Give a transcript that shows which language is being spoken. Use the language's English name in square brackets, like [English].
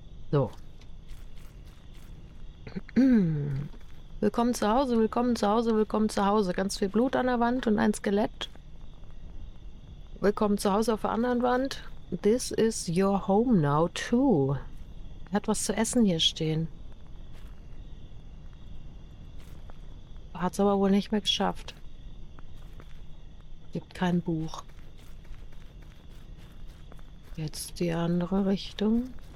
[German] So. Willkommen zu Hause, willkommen zu Hause, willkommen zu Hause. Ganz viel Blut an der Wand und ein Skelett. Willkommen zu Hause auf der anderen Wand. [English] This is your home now too. [German] Er hat was zu essen hier stehen. Hat es aber wohl nicht mehr geschafft. Gibt kein Buch. Jetzt die andere Richtung.